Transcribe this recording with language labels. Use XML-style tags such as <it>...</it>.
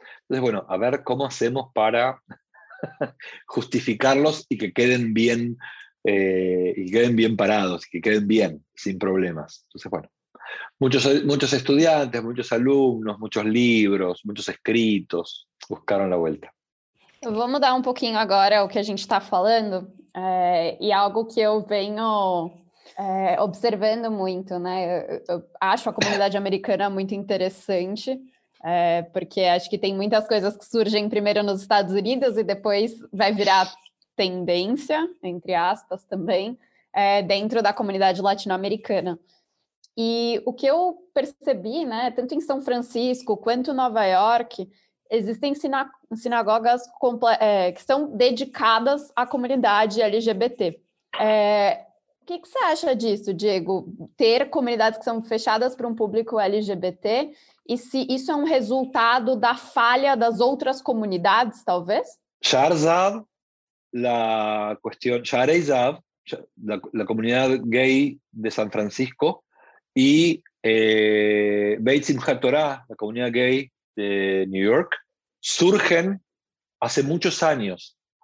<es>Entonces, bueno, a ver cómo hacemos para justificarlos y que queden bien, y queden bien parados, y que queden bien, sin problemas. Entonces, bueno, muchos estudiantes, muchos alumnos, muchos libros, muchos escritos buscaron la vuelta.</es> <pt>Vou mudar um pouquinho agora o que a gente está falando, e algo que eu venho observando muito, né? Eu acho a comunidade americana muito interessante, porque acho que tem muitas coisas que surgem primeiro nos Estados Unidos e depois vai virar tendência, entre aspas, também, dentro da comunidade latino-americana. E o que eu percebi, né, tanto em São Francisco quanto em Nova York, existem sinagogas que são dedicadas à comunidade LGBT. O que você acha disso, Diego? Ter comunidades que são fechadas para um público LGBT, e se isso é um resultado da falha das outras comunidades, talvez?</pt> <es>Charzav, la cuestión, Charizav, la comunidad gay de San Francisco, y Beit Simchat Torah, la comunidad gay de New York, surgen hace muchos años.</es>